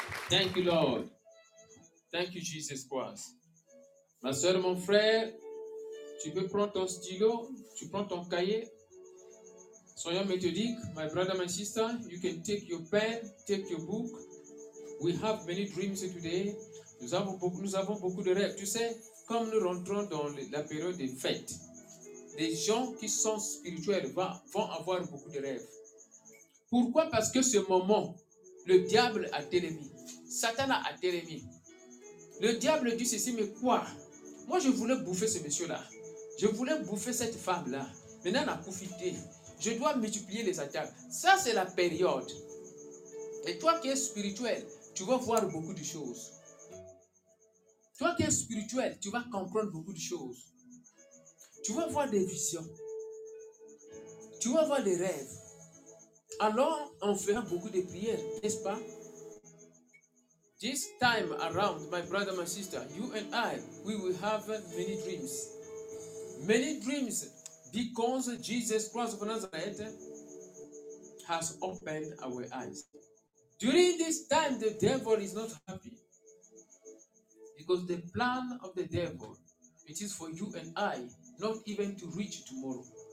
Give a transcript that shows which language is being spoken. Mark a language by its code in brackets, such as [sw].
[en] Thank you, Lord. Thank you, Jesus Christ. [fr] Ma soeur, mon frère, tu peux prendre ton stylo, tu prends ton cahier. Soyons méthodiques. [en] My brother, my sister, you can take your pen, take your book. We have many dreams today. [fr] Nous avons beaucoup de rêves. Tu sais, comme nous rentrons dans la période des fêtes, des gens qui sont spirituels vont avoir beaucoup de rêves. Pourquoi? Parce que ce moment, le diable a été remis. Satan a été remis. Le diable dit ceci, mais quoi? Moi, je voulais bouffer ce monsieur-là. Je voulais bouffer cette femme-là. Maintenant, elle a profité. Je dois multiplier les attaques. Ça, c'est la période. Et toi qui es spirituel, tu vas voir beaucoup de choses. Toi qui es spirituel, tu vas comprendre beaucoup de choses. Tu vas voir des visions. Tu vas voir des rêves. Alors, on fera beaucoup de prières, n'est-ce pas? [en] This time around, my brother, my sister, you and I, we will have many dreams. Many dreams because Jesus Christ of Nazareth has opened our eyes. During this time, the devil is not happy. Because the plan of the devil, it is for you and I not even to reach tomorrow.